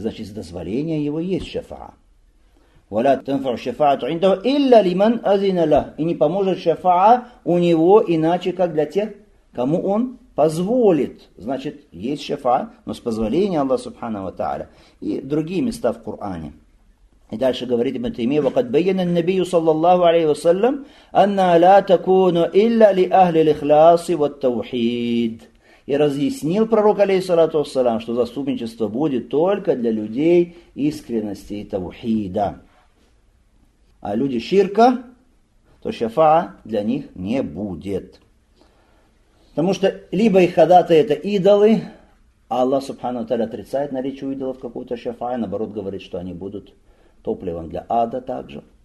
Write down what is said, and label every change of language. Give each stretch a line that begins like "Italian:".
Russian: Значит, с дозволения его есть шафа'а.
Arabic: «Валя тэнфа'у шафа'ату индаву илля лиман азина лах».
Russian: И не поможет шафа'а у него, иначе, как для тех, кому он позволит. Значит, есть шафа'а, но с позволения Аллаха Субхану Тааля. И другие места в Коране. И дальше говорит Ибн Таймия:
Arabic: وقد بين النبي صلى الله عليه وسلم أن لا تكون إلا لأهل الإخلاص والتوحيد.
Russian: и разъяснил пророк, алейхиссалату вассалям, что заступничество будет только для людей искренности и таухида. А люди ширка, то шафа'а для них не будет. Потому что либо их ходатай это идолы, а Аллах субхану ва тааля отрицает наличие идолов какого-то шафа'а, наоборот говорит, что они будут топливом для ада также.